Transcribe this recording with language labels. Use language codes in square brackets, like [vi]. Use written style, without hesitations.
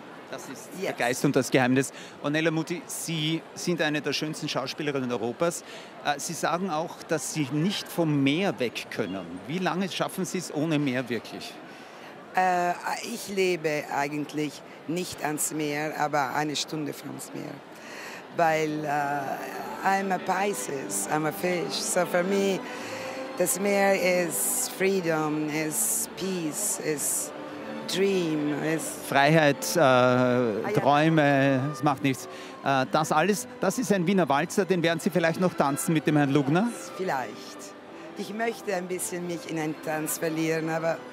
[de] Das ist [en] yes. [de] Der Geist und das Geheimnis. Ornella Muti, Sie sind eine der schönsten Schauspielerinnen Europas. Sie sagen auch, dass Sie nicht vom Meer weg können. Wie lange schaffen Sie es ohne Meer wirklich? Ich lebe eigentlich nicht ans Meer, aber eine Stunde vom Meer. Weil [en] I'm a Pisces, I'm a fish. So for me, [de] Das Meer ist [en] Freedom, [de] ist [en] Peace, [de] ist [en] Dream. [de] Ist Freiheit, Träume, es macht nichts. Das alles, das ist ein Wiener Walzer, den werden Sie vielleicht noch tanzen mit dem Herrn Lugner? Vielleicht. Ich möchte ein bisschen mich in einen Tanz verlieren, aber...